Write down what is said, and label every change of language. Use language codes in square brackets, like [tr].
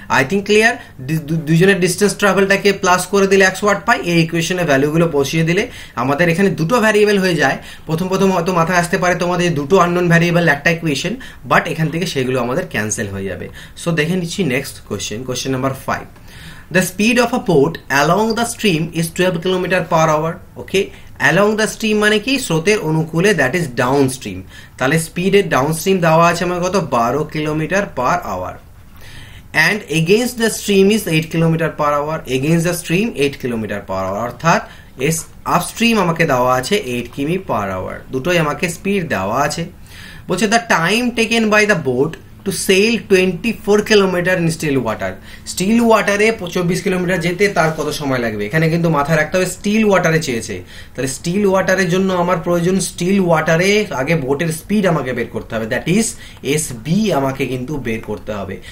[en] I think clear, [bn] দুজনের distance ট্রাভেলটাকে plus করে দিলে 108 পাই, এই ইকুয়েশনের ভ্যালুগুলো বসিয়ে দিলে আমাদের এখানে দুটো ভ্যারিয়েবল হয়ে যায়। প্রথম প্রথম হয়তো মাথায় আসতে পারে তোমাদের দুটো আননোন ভ্যারিয়েবল একটা ইকুয়েশন, বাট এখান থেকে সেগুলো আমাদের ক্যান্সেল হয়ে যাবে। সো দেখে নিচ্ছি next question, question number 5। [en] The speed of a boat along the stream is 12 km per hour. Okay, along the stream [bn] মানে কি, স্রোতের অনুকূলে, [en] that is downstream. [bn] তাহলে speed এর downstream দেওয়া আছে আমার কত, 12 km per hour. [en] And against the stream is 8 km per hour. Against the stream 8 km per hour. [bn] অর্থাৎ is upstream আমাকে দেওয়া আছে 8 কিমি পার আওয়ার, দুটোই আমাকে স্পিড দেওয়া আছে। বলছে [en] the time taken by the boat to sail 24 kilometre in still water, [bn] still ওয়াটারে 24 kilometre যেতে তার কত সময় লাগবে, এখানে কিন্তু মাথায় রাখতে হবে স্টিল ওয়াটারে চেয়েছে, তাহলে স্টিল ওয়াটারের জন্য আমার প্রয়োজন, স্টিল ওয়াটারে আগে বোটের স্পিড আমাকে বের করতে হবে, [en] that is S B [bn] আমাকে কিন্তু বের করতে হবে।